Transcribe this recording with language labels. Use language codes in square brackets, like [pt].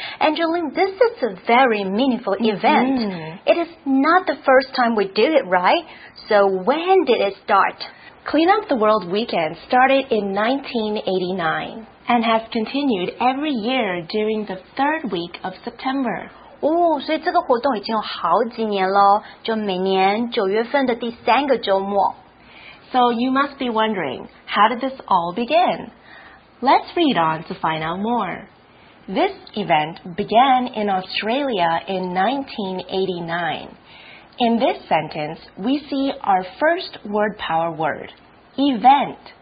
[en] Angeline， this is a very meaningful event.、Mm-hmm. It is not the first time we do it, right? So when did it start? Clean Up the World Weekend started in 1989. And has continued every year during the third week of September. [zh] 哦，所以这个活动已经有好几年了，就每年九月份的第三个周末。 [en] So you must be wondering, how did this all begin? Let's read on to find out more. This event began in Australia in 1989. In this sentence, we see our first word power word, event.